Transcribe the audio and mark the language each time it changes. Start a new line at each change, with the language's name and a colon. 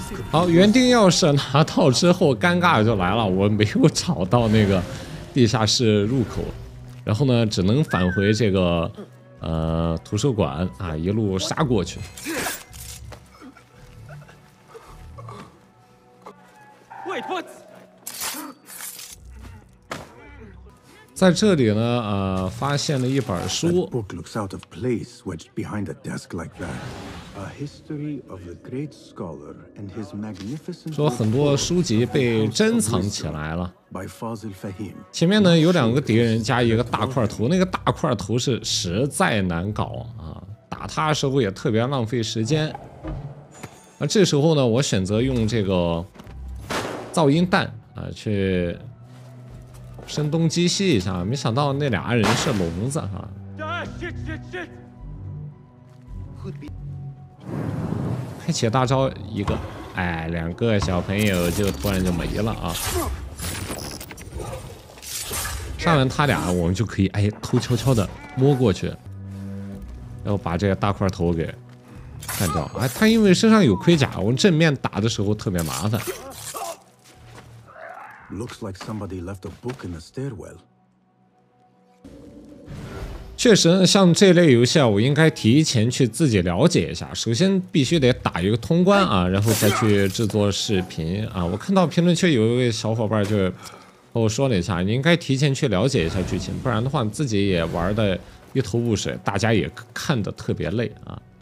Chinese: 好，园丁钥匙拿到之后，尴尬就来了，我没有找到那个地下室入口，然后呢，只能返回这个图书馆啊，一路杀过去。
English: Wait, what?
Chinese: 在这里呢，发现了一本书。
English: That book looks out of place, wedged behind a desk like that. A history of the great scholar and his magnificent.
Chinese: 说很多书籍被珍藏起来了。
English: By Fazil Fahim.
Chinese: 前面呢有两个敌人加一个大块头，那个大块头是实在难搞啊，打他的时候也特别浪费时间。而这时候呢，我选择用这个噪音弹啊去。声东击西一下，没想到那俩人是聋子哈。开启大招一个，两个小朋友就突然就没了啊。杀完他俩，我们就可以偷悄悄的摸过去，要把这个大块头给干掉。他因为身上有盔甲，我们正面打的时候特别麻烦。
English: Looks like somebody left a book in the stairwell.
Chinese: 确实，像这类游戏啊，我应该提前去自己了解一下。首先必须得打一个通关啊，然后再去制作视频啊。我看到评论区有一位小伙伴就和我说了一下，你应该提前去了解一下剧情，不然的话自己也玩的一头雾水，大家也看的特别累啊。